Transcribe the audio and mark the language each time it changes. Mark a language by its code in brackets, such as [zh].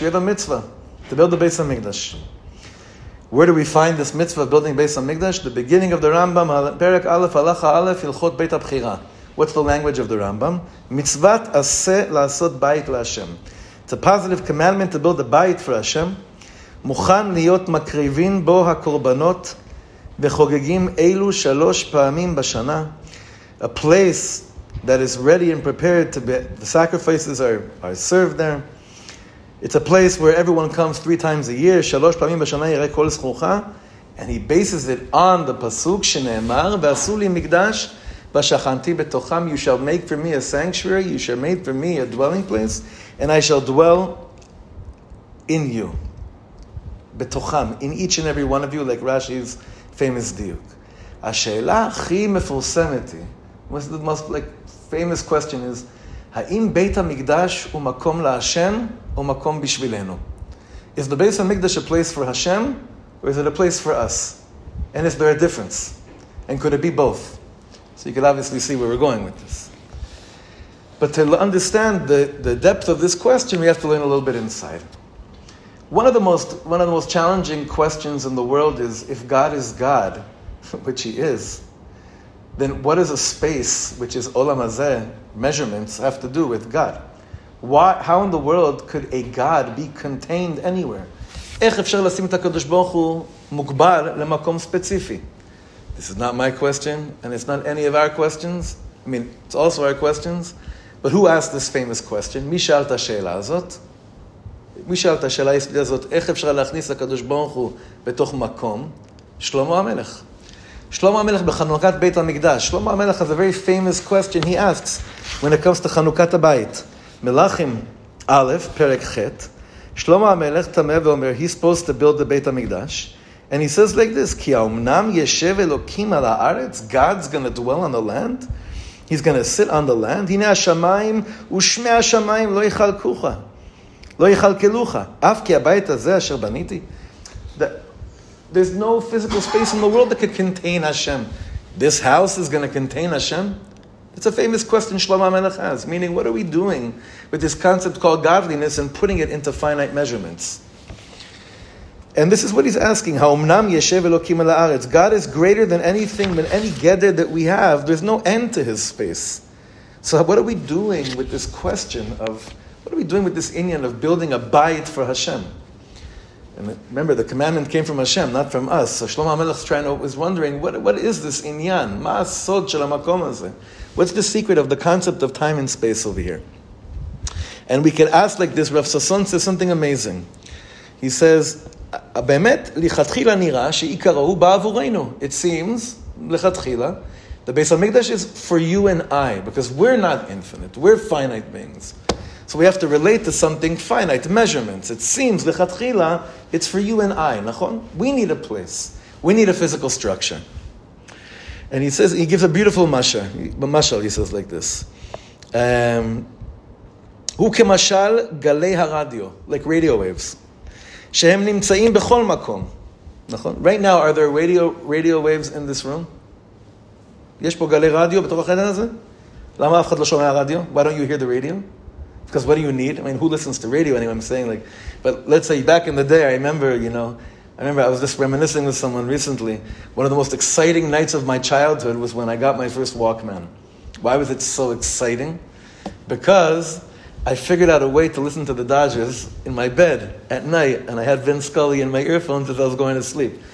[en] We have a mitzvah to build the Beit HaMikdash. Where do we find this mitzvah of building Beit HaMikdash? The beginning of the Rambam, Perek Aleph, Halacha Aleph, Hilchot Beit HaBchira. What's the language of the Rambam? [he] Mitzvat aseh la'asot bayit la'Hashem. [en] It's a positive commandment to build a bayit for Hashem. [he] מוכן להיות מקריבים בו הקורבנות וחוגגים אלו שלוש פעמים בשנה. [en] A place that is ready and prepared to be, the sacrifices are served there. It's a place where everyone comes 3 times a year, [he] שלוש פעמים בשנה יראה כל זכוכה, [en] and he bases it on the פסוק שנאמר, [he] ועשו לי מקדש ושכנתי בתוכם, [en] you shall make for me a sanctuary, you shall make for me a dwelling place, and I shall dwell in you. בתוכם, in each and every one of you, like Rashi's famous דיוק. [he] השאלה הכי מפורסמת היא, [en] what's the most famous question is, [he] האם בית המקדש הוא מקום להשם או מקום בשבילנו? [en] Is the Beis HaMikdash a place for Hashem or is it a place for us? And is there a difference? And could it be both? So you could obviously see where we're going with this. But to understand the depth of this question, we have to learn a little bit inside. One of the most challenging questions in the world is, if God is God, which He is, then what is a space, which is Olam Hazeh, measurements, have to do with God? Why? How in the world could a God be contained anywhere? [he] איך אפשר לשים את הקדוש ברוך הוא מוגבל למקום ספציפי? [en] This is not my question, and it's not any of our questions. I mean, it's also our questions. But who asked this famous question? [he] מי שאל את השאלה הזאת? מי שאל את השאלה הזאת, איך אפשר להכניס לקדוש ברוך הוא בתוך מקום? שלמה המלך. שלמה המלך בחנוכת בית המקדש. שלמה המלך has a very famous question he asks when it comes to חנוכת הבית. מלאכים א', פרק ח', שלמה המלך תמה ואומר, [en] he's supposed to build the [he] בית המקדש. [en] And he says like this, [he] כי האמנם ישב אלוקים על הארץ, [en] God's going to dwell on the land. He's going to sit on the land. [he] הנה השמיים ושמי השמיים לא יחלקוך. לא יחלקלוך, אף כי הבית הזה אשר בניתי. [en] There's no physical space in the world that could contain Hashem. This house is going to contain Hashem? It's a famous question Shlomo HaMelech has, meaning what are we doing with this concept called godliness and putting it into finite measurements? And this is what he's asking, [he] האמנם ישב אלוקים על הארץ. [en] God is greater than anything, than any gedder that we have. There's no end to his space. So what are we doing with this question of, what are we doing with this inyan of building a bayit for Hashem? And remember, the commandment came from Hashem, not from us. So Shlomo HaMelech is wondering, what is this inyan? [he] Ma sod shel hamakom hazeh? [en] What's the secret of the concept of time and space over here? And we could ask like this. Rav Sasson says something amazing. [he] He says, באמת, לכתחילה נראה שעיקרו בא עבורנו. [en] It seems, לכתחילה, the Beis HaMikdash is for you and I, because we're not infinite. We're finite beings. So we have to relate to something finite, measurements. It seems, לכתחילה, it's for you and I, נכון? We need a place. We need a physical structure. And he says, he gives a beautiful mashal, he says like this. [he] הוא כמשל גלי הרדיו, [en] like radio waves. [he] שהם נמצאים בכל מקום. נכון? [en] Right now, are there radio waves in this room? [he] יש פה גלי רדיו בתוך החדר הזה? למה אף אחד לא שומע רדיו? [en] Why don't you hear the radio? Because what do you need? I mean, who listens to radio anyway? I'm saying like, but let's say back in the day, I remember I was just reminiscing with someone recently. One of the most exciting nights of my childhood was when I got my first Walkman. Why was it so exciting? Because I figured out a way to listen to the Dodgers in my bed at night, and I had Vin Scully in my earphones as I was going to sleep.